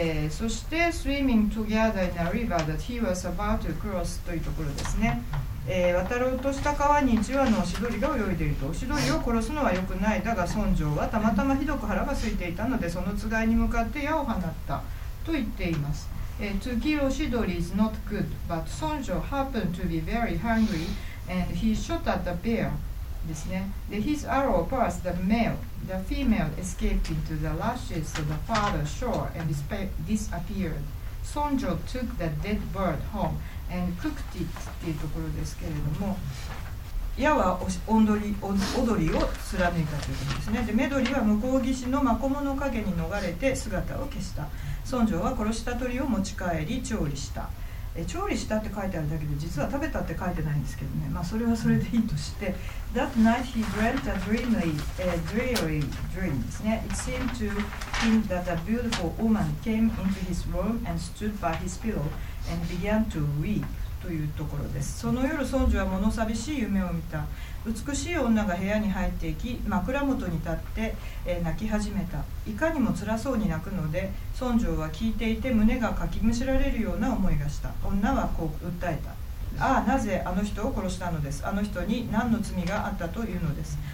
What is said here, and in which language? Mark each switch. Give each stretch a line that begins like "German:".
Japanese: そして
English: Swimming together in a river that he was about to cross
Japanese: というところですね。渡ろうとした川に一羽のおしどりが泳いでいると、おしどりを殺すのは良くない、だが村長はたまたまひどく腹が空いていたので、そのつがいに向かって矢を放ったと言っています。
English: To kill oshidori is not good, but Sonjo happened to be very hungry and he shot at the bear
Japanese: ですね。
English: で、his arrow passed the male. The female escaped into the rushes of the farther shore and disappeared. Sonjo took the dead bird home and cooked it
Japanese: っていうところですけれども、矢は踊りを貫いたということですね。で、メドリは向こう岸のマコモの影に逃れて姿を消した。村長は殺した鳥を持ち帰り調理した。調理したって書いてあるだけで、実は食べたって書いてないんですけどね。まあそれはそれでいいとして、
English: That night he dreamt a dreary dream
Japanese: ですね。
English: It seemed to him that a beautiful woman came into his room and stood by his pillow and began to weep.
Japanese: というところです。その夜ソンジュは物寂しい夢を見た。美しい女が部屋に入っていき、枕元に立って、泣き始めた。いかにも辛そうに泣くので、ソンジュは聞いていて胸がかきむしられるような思いがした。女はこう訴えた。ああ、なぜあの人を殺したのです、あの人に何の罪があったというのです。